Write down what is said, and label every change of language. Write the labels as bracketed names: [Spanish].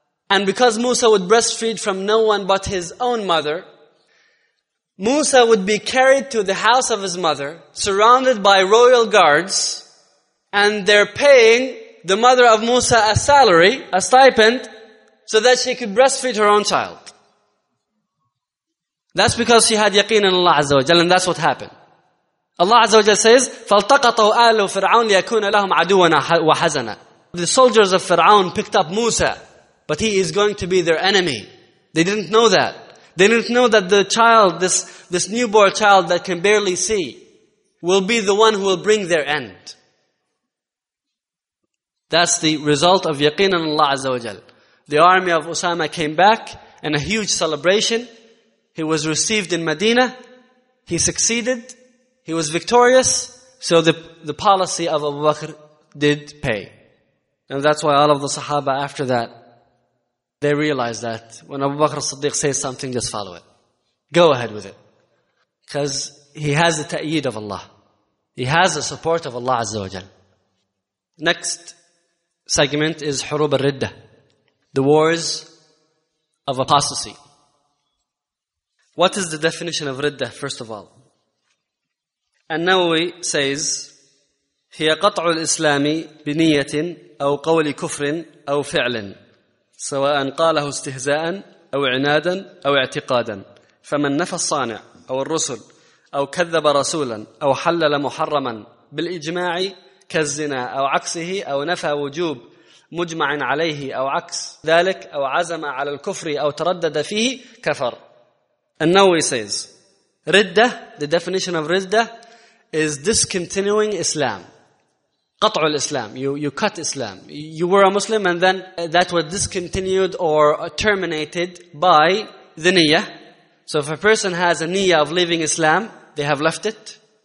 [English] And because Musa would breastfeed from no one but his own mother, Musa would be carried to the house of his mother, surrounded by royal guards, and they're paying the mother of Musa a salary, a stipend, so that she could breastfeed her own child. That's because she had yaqeen in Allah Azza wa Jalla, and that's what happened. Allah Azza wa Jalla says, [Arabic] فَالْتَقَطَوْا آلُ فِرْعَوْنَ لِيَكُونَ لَهُمْ عَدُوًا وَحَزَنًا. [English] The soldiers of Fir'aun picked up Musa, but he is going to be their enemy. They didn't know that. They didn't know that the child, this newborn child that can barely see, will be the one who will bring their end. That's the result of yaqeen in Allah Azza wa Jalla. The army of Usama came back in a huge celebration. He was received in Medina. He succeeded. He was victorious. So the policy of Abu Bakr did pay. And that's why all of the Sahaba after that, they realized that when Abu Bakr as-Siddiq says something, just follow it. Go ahead with it. Because he has the ta'eed of Allah. He has the support of Allah Azza wa Jal. Next segment is Hurub al-Riddah. The wars of apostasy. What is the definition of riddah, first of all? An-Nawawi says, [Arabic] هي قطع الإسلام بنية أو قول كفر أو فعل سواء قاله استهزاء أو عنادا أو اعتقادا فمن نفى الصانع أو الرسل أو كذب رسولا أو حلل محرما بالإجماع كالزنا أو عكسه أو نفى وجوب مجمع عليه أو عكس ذلك أو عزم على الكفر أو تردد فيه كفر. [English] An-Nawawi says, riddah, the definition of riddah is discontinuing Islam. [Arabic] قطعوا الإسلام, [English] you cut Islam. You were a Muslim and then that was discontinued or terminated by the niyyah. So if a person has a niyyah of leaving Islam, they have left it.